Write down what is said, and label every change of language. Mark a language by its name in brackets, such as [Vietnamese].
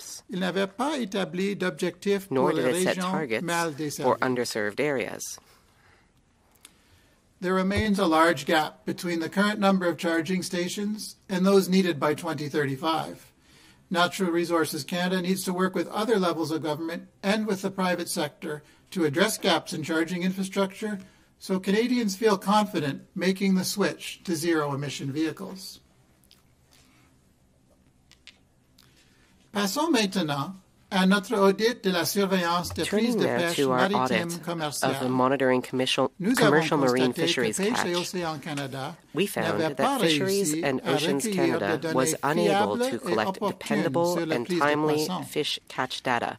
[French] Il n'avait pas établi d'objectifs pour les régions mal desservies. [English] There remains a large gap between the current number of charging stations and those needed by 2035. Natural Resources Canada needs to work with other levels of government and with the private sector to address gaps in charging infrastructure so Canadians feel confident making the switch to zero-emission vehicles. [French] Passons maintenant à notre audit de la surveillance des prises de pêche maritime commerciale. Nous avons constaté que Pêche et Océan Canada n'avait pas réussi à recueillir des données fiables et opportunes sur les prises de poissons.